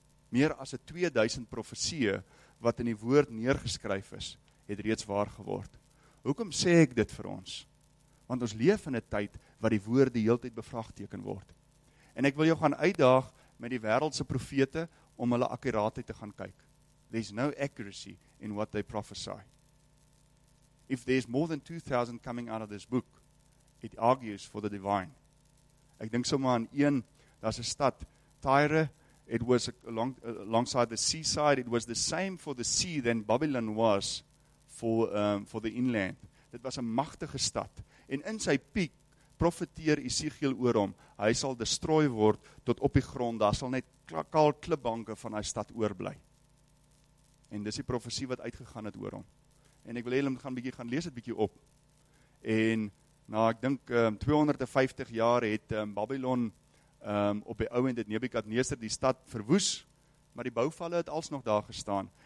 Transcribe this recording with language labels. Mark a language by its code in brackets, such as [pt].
[af] Meer as 2000 profesieë wat in die woord neergeskryf is, het reeds waar geword. Hoekom sê ek dit vir ons? Want ons leef in 'n tyd wat die woord die heeltyd bevraagteken word. En ek wil jou gaan uitdaag met die wêreldse profete om hulle akkuraatheid te gaan kyk. [en] There's no accuracy in what they prophesy. If there's more than 2,000 coming out of this book, it argues for the divine. [af] Ek dink sommer aan een, daar's 'n stad, Tyre. [en] It was alongside the seaside. It was the same for the sea than Babylon was for the inland. [af] Dit was 'n magtige stad. En in sy piek profeteer Esegiël oor hom. Hy sal destrooi word tot op die grond. Daar sal net kaal klipbanke van hy stad oorbly. En dis die profesie wat uitgegaan het oor hom. En ek wil hê hulle moet gaan lees dit bietjie op. En na ek dink 250 jaar het Babylon op die ou end het Nebukadneser die stad verwoes, maar die bouvalle het alsnog daar gestaan.